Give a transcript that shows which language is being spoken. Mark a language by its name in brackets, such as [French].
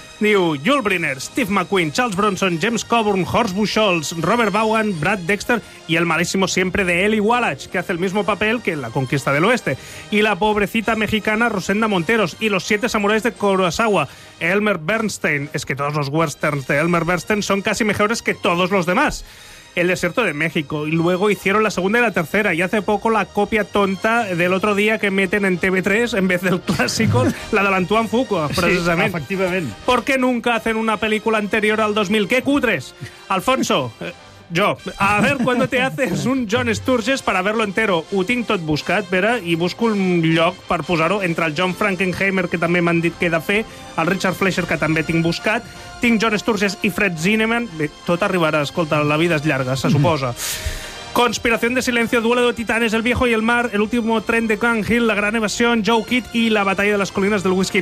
[Spanish] Diu Yul Brynner, Steve McQueen, Charles Bronson, James Coburn, Horst Buchholz, Robert Vaughan, Brad Dexter i el malísimo siempre de Eli Wallach, que hace el mismo papel que en La Conquista del Oeste. I la pobrecita mexicana Rosenda Monteros i Los Siete Samuráis de Kurosawa, Elmer Bernstein. [Catalan] És que tots els westerns de Elmer Bernstein són quasi mejores que tots els demás. [Spanish] El desierto de México, y luego hicieron la segunda y la tercera, y hace poco la copia tonta del otro día que meten en TV3 en vez del clásico, la de Antoine Fuqua, precisamente. [Catalan] Sí, efectivament. [Spanish] ¿Por qué nunca hacen una película anterior al 2000? ¡Qué cutres! Alfonso, jo, a ver cuando te haces un John Sturges para verlo entero. [Catalan] Ho tinc tot buscat, Vera, i busco un lloc per posar-ho entre el John Frankenheimer, que també m'han dit que he de fer, el Richard Fleischer, que també tinc buscat, tinc John Sturges i Fred Zinnemann. Bé, tot arribarà, escolta, la vida és llarga, se suposa. [Spanish] Conspiración de silencio, duelo de titanes, el viejo y el mar, el último tren de Grand Hill, la gran evasión, Joe Kidd y la batalla de las colinas del whisky.